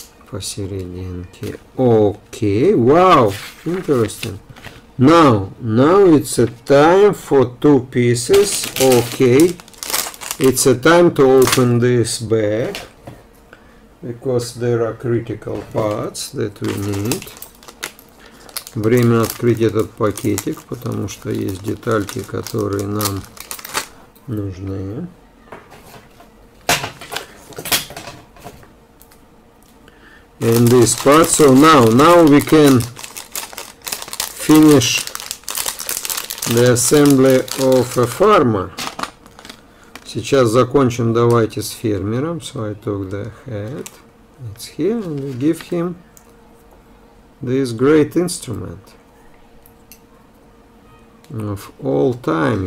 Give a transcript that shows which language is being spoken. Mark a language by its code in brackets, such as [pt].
[ru] Посерединке. [en] Okay, wow, interesting. Now it's a time for two pieces. Okay, it's a time to open this bag because there are critical parts that we need. [ru] Время открыть этот пакетик, потому что есть детальки, которые нам нужны. [en] In this part, so now we can finish the assembly of a farmer. [ru] Сейчас закончим, давайте, с фермером. [en] So I took the hat, it's here, and we give him this great instrument of all time.